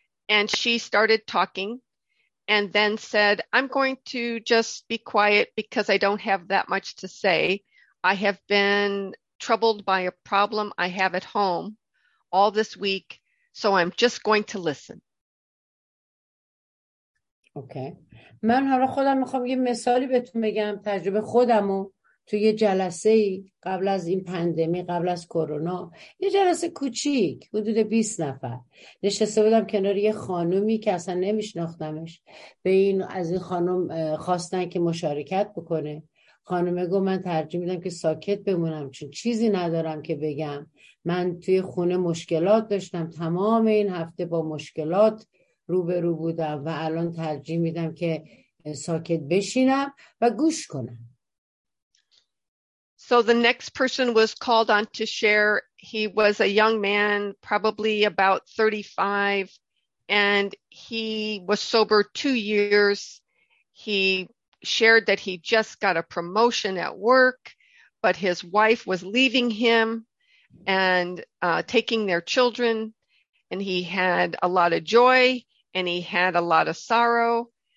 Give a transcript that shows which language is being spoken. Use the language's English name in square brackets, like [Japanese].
[English] And she started talking and then said, I'm going to just be quiet because I don't have that much to say. I have been troubled by a problem I have at home all this week, so I'm just going to listen. Okay. [Persian] من حالا خودم میخوام یه مثالی بهتون بگم، تجربه خودمو تو یه جلسه قبل از این پندمی، قبل از کرونا، یه جلسه کوچیک حدود 20 نفر نشسته بودم کنار یه خانومی که اصلا نمیشناختمش. به این از این خانم خواستن که مشارکت بکنه. خانمه گفت من ترجیح میدم که ساکت بمونم چون چیزی ندارم که بگم. من توی خونه مشکلات داشتم، تمام این هفته با مشکلات روبرو بودم و الان ترجیح میدم که ساکت بشینم و گوش کنم. [English] So the next person was called on to share. He was a young man, probably about 35, and he was sober 2 years. He shared that he just got a promotion at work, but his wife was leaving him and taking their children, and he had a lot of joy and he had a lot of sorrow.